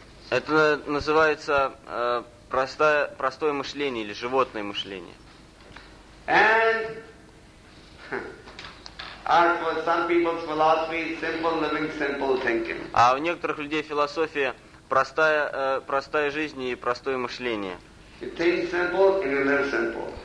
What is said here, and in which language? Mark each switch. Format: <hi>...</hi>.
<ru>Это называется простое мышление или животное мышление.</ru> <en>And our, for some people's philosophy, simple living, simple thinking.</en> <ru>А у некоторых людей философия простая жизнь и простое мышление.</ru> <en>You think simple and you live simple.</en>